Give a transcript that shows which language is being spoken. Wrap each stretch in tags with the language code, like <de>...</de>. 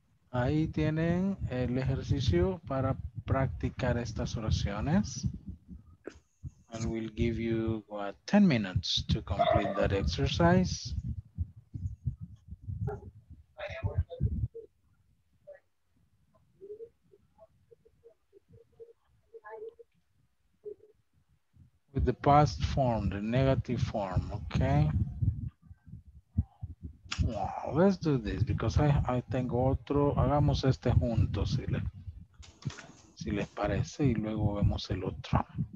<es>Ahí tienen el ejercicio para practicar estas oraciones.</es> <en>And we'll give you 10 minutes to complete that exercise. With the past form, the negative form, okay? Wow, let's do this because I</en> <es>tengo otro. Hagamos este juntos, si les parece, y luego vemos el otro.</es>